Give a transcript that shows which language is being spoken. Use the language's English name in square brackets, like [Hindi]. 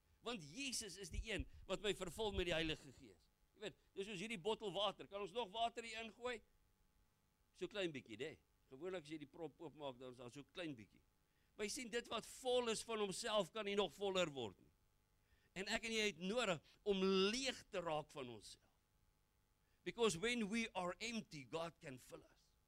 [Afrikaans] Want Jesus is die een wat my vervul met die Heilige Gees. Jy weet, dis soos hierdie bottel water. Kan ons nog water hier ingooi? So klein bietjie, hè? Gewoonlik as jy die prop oopmaak, dan is daar so klein bietjie. Maar jy sien, dit wat vol is van homself, kan nie nog voller word nie. En ek en jy het nodig om leeg te raak van onsself. [English] Because when we are empty, God can fill us.